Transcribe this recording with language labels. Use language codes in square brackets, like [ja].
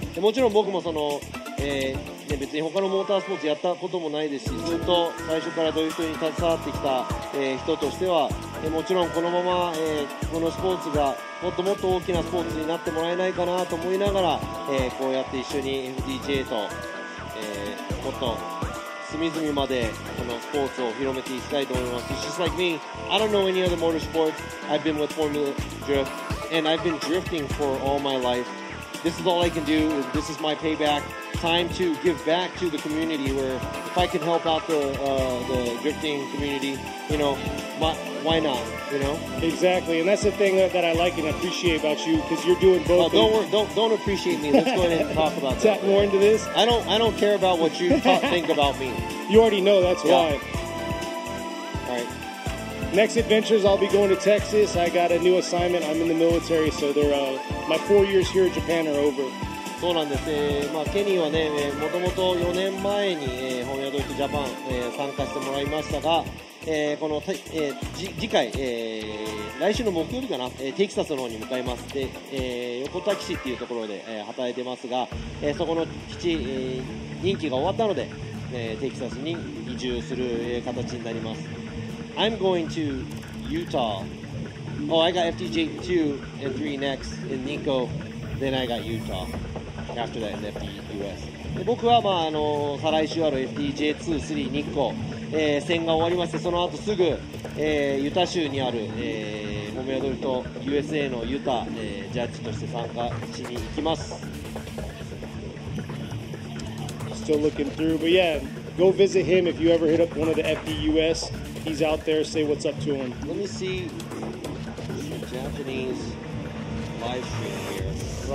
[ja] でもちろん僕もその、ね、別に他のモータースポーツやったこともないですし、ずっと最初からドリフトに携わってきた、人としては、もちろんこのまま、このスポーツがもっともっと大きなスポーツになってもらえないかなと思いながら、こうやって一緒に FDJ ともっと隅々までこのスポーツを広めていきたいと思います。 [en] It's just like me. I don't know any other motorsport. I've been with Formula Drift, and I've been drifting for all my life. This is all I can do. This is my payback. Time to give back to the community where if I can help out the drifting community, you know, why not, you know? Exactly. And that's the thing that I like and appreciate about you because you're doing both. Well, don't appreciate me. Let's go ahead and talk about that. Tap more into this? I don't care about what you think about me. You already know. That's why. All right. Next adventures, I'll be going to Texas. I got a new assignment. I'm in the military, so my 4 years here in Japan are over. [ja] そうなんです、ケニーはね、もともと4年前に、本屋ドイツジャパン、参加してもらいましたが、この、次回、来週の木曜日かな、テキサスの方に向かいます。で、横田基地っていうところで、働いてますが、そこの基地、任期が終わったので、テキサスに移住する、形になります。 [en] I'm going to Utah. Oh, I got FDJ 2 and 3 next in Nikko. Then I got Utah. After that, in FD US. [ja] 僕は、再来週ある FDJ 2、3、Nikko、戦が終わりまして、その後すぐ、ユタ州にある、モメアドルと USA のユタ、ジャッジとして参加しに行きます。 [en] Still looking through, but yeah, go visit him if you ever hit up one of the FD US. He's out there. Say what's up to him. Let me see the Japanese live stream here.